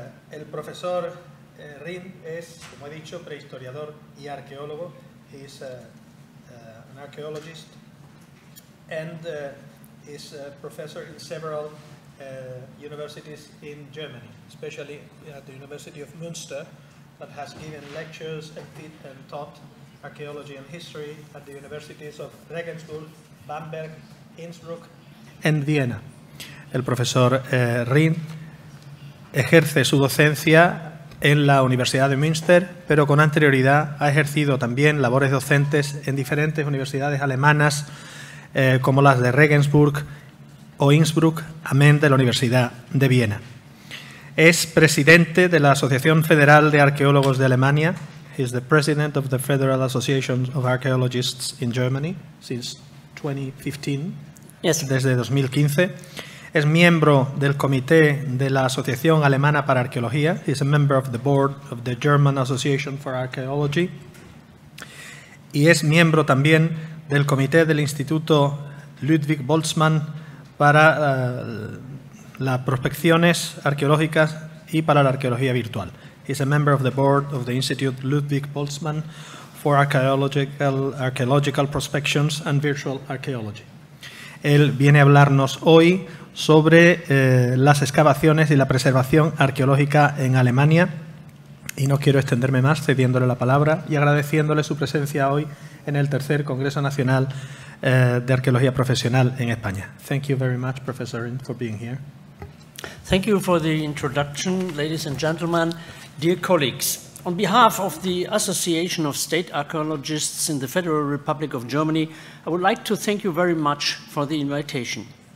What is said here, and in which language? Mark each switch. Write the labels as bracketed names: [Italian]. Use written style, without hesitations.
[Spanish] El profesor Rind es, como he dicho, prehistoriador y arqueólogo. [English] He's an archaeologist and is a professor in several universities in Germany, especially at the University of Münster, but has given lectures and taught archaeology and history at the universities of Regensburg, Bamberg, Innsbruck, and Vienna. [Spanish] El profesor Rind ejerce su docencia en la Universidad de Münster, pero con anterioridad ha ejercido también labores docentes en diferentes universidades alemanas, como las de Regensburg o Innsbruck, amén de la Universidad de Viena. Es presidente de la Asociación Federal de Arqueólogos de Alemania. [English] He is the president of the Federal Association of Archaeologists in Germany since 2015. Yes. [Spanish] Desde 2015. Es miembro del comité de la Asociación Alemana para Arqueología. [English] He is a member of the board of the German Association for Archaeology. [Spanish] Y es miembro también del comité del Instituto Ludwig Boltzmann para las prospecciones arqueológicas y para la arqueología virtual. [English] He is a member of the board of the Institute Ludwig Boltzmann for Archaeological Prospections and Virtual Archaeology. [Spanish] Él viene a hablarnos hoy sobre las excavaciones y la preservación arqueológica en Alemania. Y no quiero extenderme más, cediéndole la palabra y agradeciéndole su presencia hoy en el tercer Congreso Nacional de Arqueología Profesional en España. [English] Thank you very much, Professor, for being here. Thank you for the introduction, ladies and gentlemen, dear colleagues. On behalf of the Association of State Archaeologists in the Federal Republic of Germany, I would like to thank you very much for the invitation.